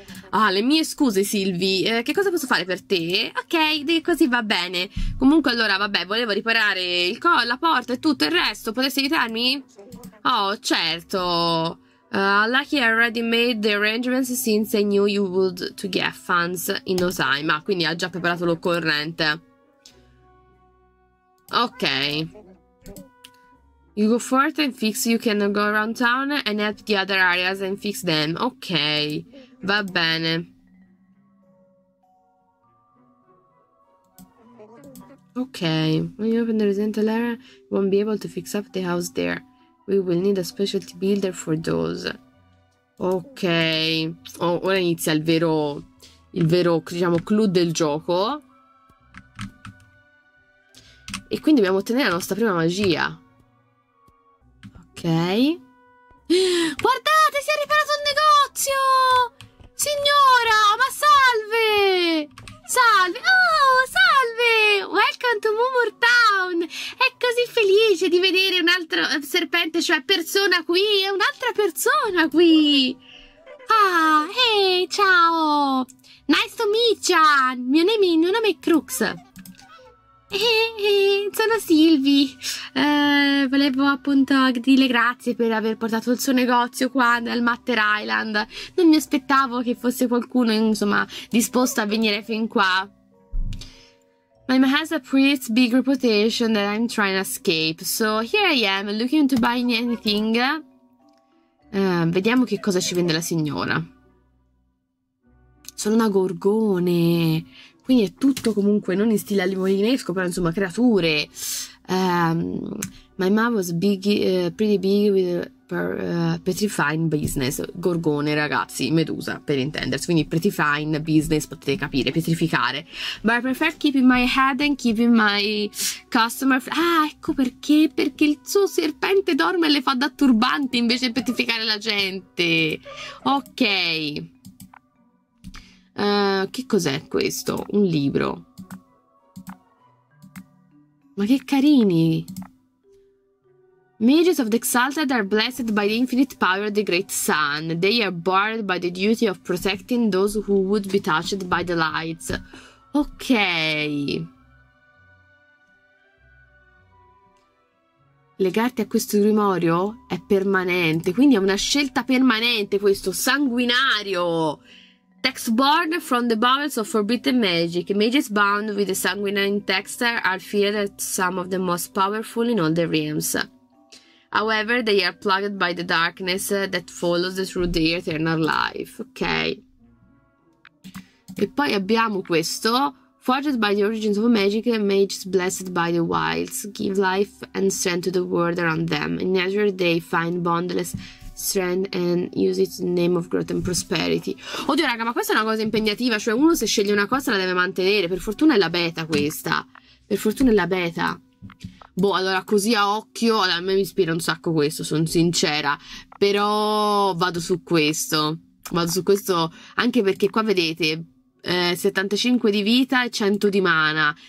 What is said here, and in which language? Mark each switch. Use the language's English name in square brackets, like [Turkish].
[Italian] Ah, le mie scuse Silvi, che cosa posso fare per te? Ok, così va bene. Comunque allora, vabbè, volevo riparare il la porta e tutto il resto, potresti aiutarmi? Oh, certo. [English] Lucky already made the arrangements since I knew you would to get funds in no time. [Italian] Ah, quindi ha già preparato l'occorrente. [English] Ok. You go forth and fix, you can go around town and help the other areas and fix them. [Italian] Ok, va bene. [English] Ok, when you open the residential area, you won't be able to fix up the house there. We will need a specialty builder for those. [Italian] Ok, oh, ora inizia il vero, diciamo, clou del gioco. E quindi dobbiamo ottenere la nostra prima magia. Ok, guardate, si è riparato il negozio, signora, ma salve, salve, oh, salve, [English] welcome to Moomoo Town, [Italian] è così felice di vedere un altro serpente, cioè persona qui, è un'altra persona qui, ah, hey, ciao, [English] nice to meet ya, [Italian] mio nome è Crux. Sono Silvi. Volevo appunto dire grazie per aver portato il suo negozio qua nel Matter Island. Non mi aspettavo che fosse qualcuno, insomma, disposto a venire fin qua. [English] My mom has a pretty big reputation that I'm trying to escape. So here I am, looking to buy anything. [Italian] Vediamo che cosa ci vende la signora. Sono una gorgone. Quindi è tutto comunque non in stile limolinesco, però insomma creature. [English] My mom was big, pretty big with petrifying business. [Italian] Gorgone, ragazzi, Medusa per intendersi. Quindi [English] petrifying business, [Italian] potete capire, petrificare. [English] But I prefer keeping my head and keeping my customer. [Italian] Ah, ecco perché. Perché il suo serpente dorme e le fa da turbante invece di petrificare la gente. Ok. Che cos'è questo? Un libro. Ma che carini! [English] Mages of the Exalted are blessed by the infinite power of the Great Sun. They are barred by the duty of protecting those who would be touched by the lights. Ok. [Italian] Legarti a questo grimorio è permanente, quindi è una scelta permanente questo sanguinario. [English] Text born from the bowels of forbidden magic. Mages bound with the sanguinary text are feared as some of the most powerful in all the realms. However, they are plagued by the darkness that follows through their eternal life. Ok. [Italian] E poi abbiamo questo. [English] Forged by the origins of magic, mages blessed by the wilds give life and strength to the world around them. In nature, they find boundless strength and use it in name of growth and prosperity. [Italian] Oddio, raga, ma questa è una cosa impegnativa. Cioè, uno se sceglie una cosa la deve mantenere. Per fortuna è la beta questa. Per fortuna è la beta. Boh, allora così a occhio. A me mi ispira un sacco questo, sono sincera. Però vado su questo. Vado su questo anche perché qua vedete 75 di vita e 100 di mana.